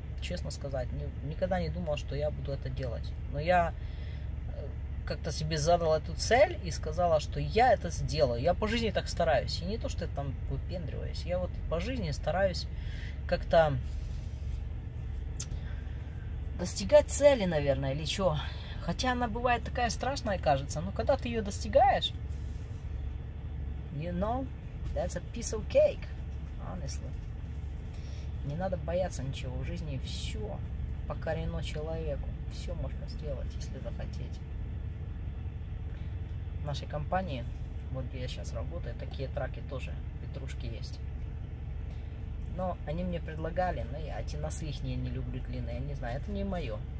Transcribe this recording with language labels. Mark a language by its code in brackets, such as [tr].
[ru] Честно сказать, никогда не думал, что я буду это делать. Но я как-то себе задал эту цель и сказала, что я это сделаю. Я по жизни так стараюсь. И не то, что я там выпендриваюсь. Я вот по жизни стараюсь как-то достигать цели, наверное, или что. Хотя она бывает такая страшная, кажется. Но когда ты ее достигаешь, [en] you know, that's a piece of cake, honestly. [ru] Не надо бояться ничего. В жизни все покорено человеку. Все можно сделать, если захотеть. В нашей компании, вот где я сейчас работаю, такие траки тоже, петрушки есть. Но они мне предлагали, но я эти носы их не люблю длинные, я не знаю, это не мое.